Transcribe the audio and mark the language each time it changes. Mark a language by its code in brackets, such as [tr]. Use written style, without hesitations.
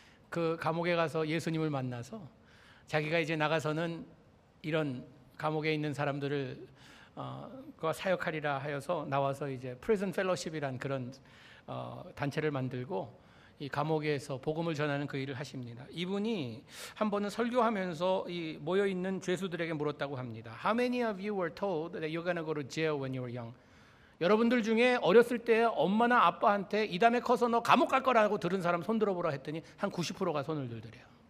[ko] 그 감옥에 가서 예수님을 만나서 자기가 이제 나가서는 이런 감옥에 있는 사람들을 그와 사역하리라 하여서 나와서 이제 프리즌 펠로십이란 그런 단체를 만들고 이 감옥에서 복음을 전하는 그 일을 하십니다. 이분이 한 번은 설교하면서 이 모여 있는 죄수들에게 물었다고 합니다. [en] How many of you were told that you're gonna go to jail when you were young? [ko] 여러분들 중에 어렸을 때 엄마나 아빠한테 이 다음에 커서 너 감옥 갈 거라고 들은 사람 손 들어보라 했더니 한 90%가 손을 들더래요.